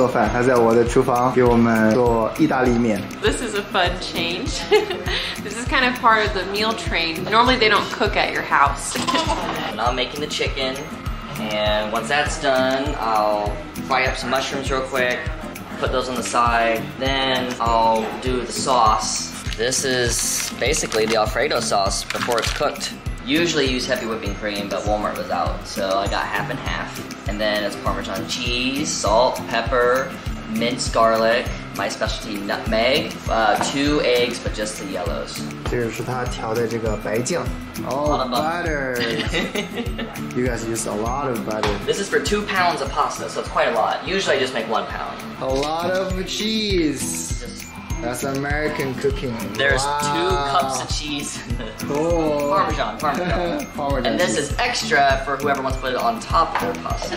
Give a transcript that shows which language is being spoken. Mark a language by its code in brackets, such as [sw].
[zh] 今天妹夫要给我们做饭，她在我的厨房给我们做意大利面。 [en] This is a fun change. This is kind of part of the meal train. Normally they don't cook at your house. I'm making the chicken, and once that's done, I'll fry up some mushrooms real quick, put those on the side, then I'll do the sauce. This is basically the Alfredo sauce before it's cooked. Usually use heavy whipping cream, but Walmart was out, so I got half and half. And then it's Parmesan cheese, salt, pepper, minced garlic, my specialty nutmeg, two eggs, but just the yellows. [zh] 这个是他调的这个白酱。 [en] Oh, butter. You guys use a lot of butter. This is for 2 pounds of pasta, so it's quite a lot. Usually I just make 1 pound. A lot of cheese. That's American cooking. There's two cups of cheese. Cool. Parmesan. And this is extra for whoever wants to put it on top of their pasta.